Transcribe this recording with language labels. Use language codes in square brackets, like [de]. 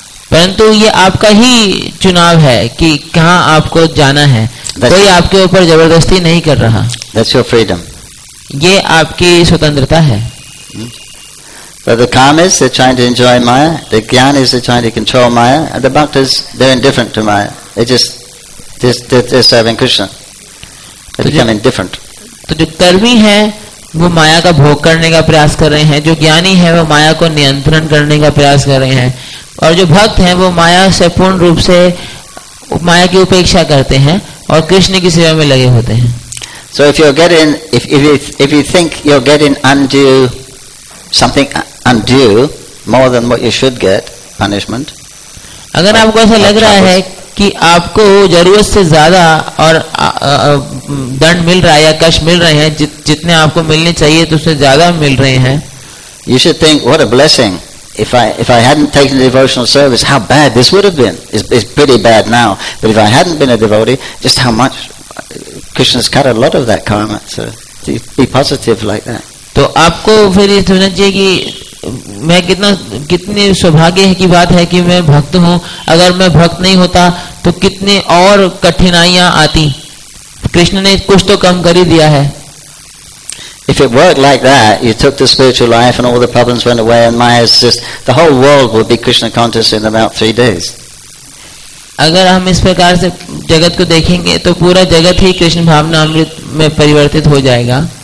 [hi] परंतु ये आपका ही चुनाव है कि कहाँ आपको जाना है कोई आपके ऊपर जबरदस्ती नहीं कर रहा [en] That's your freedom. [hi] ये आपकी स्वतंत्रता है [en] So the calm is they're trying to enjoy Maya, the gyan is they're trying to control Maya, and the bhaktas they're indifferent to Maya. They're serving Krishna. They become indifferent. [hi] तो जो कर्मी है वो माया का भोग करने का प्रयास कर रहे हैं जो ज्ञानी है वो माया को नियंत्रण करने का प्रयास कर रहे हैं और जो भक्त हैं वो माया से पूर्ण रूप से माया की उपेक्षा करते हैं और कृष्ण की सेवा में लगे होते हैं [en] So if you're getting, if you think you're getting undue, something undue, more than what you should get, punishment. [hi] अगर आपको ऐसा लग रहा है कि आपको जरूरत से ज़्यादा और दंड मिल रहा है या कष्ट मिल रहे हैं जितने आपको मिलने चाहिए तो उससे ज़्यादा मिल रहे हैं. [en] You should think, what a blessing. If I hadn't taken the devotional service, how bad this would have been. It's pretty bad now. But if I hadn't been a devotee, just how much. Krishna's cut a lot of that karma, so be positive like that. [hi] तो आपको फिर ये सोचना चाहिए कि मैं कितने सौभाग्य की बात है कि मैं भक्त हूँ अगर मैं भक्त नहीं होता तो कितने और कठिनाइयाँ आती कृष्ण ने कुछ तो कम कर ही दिया है [en] If it worked like that, you took the spiritual life and all the problems went away and Maya just the whole world would be Krishna conscious in about 3 days. [hi] अगर हम इस प्रकार से जगत को देखेंगे तो पूरा जगत ही कृष्ण भावना अमृत में परिवर्तित हो जाएगा